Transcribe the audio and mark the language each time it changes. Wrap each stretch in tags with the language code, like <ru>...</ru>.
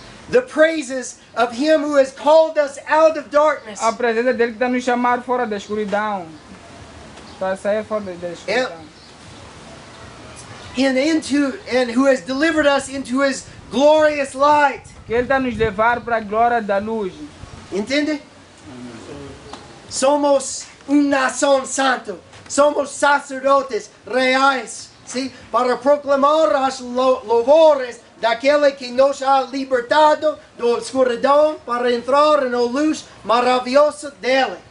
<en>The praises of him who has called us out of darkness.</en> <pt>A presença dele que está nos chamando fora da escuridão. Para sair fora da escuridão.</pt> <en>And into and who has delivered us into his glorious light.</en> <pt>Que ele está nos levar para a glória da luz. Entende? Somos uma nação santa. Somos sacerdotes reais. Sim? Para proclamar as louvores daquele que nos ha libertado do escuridão para entrar na luz maravilhosa dele.</pt>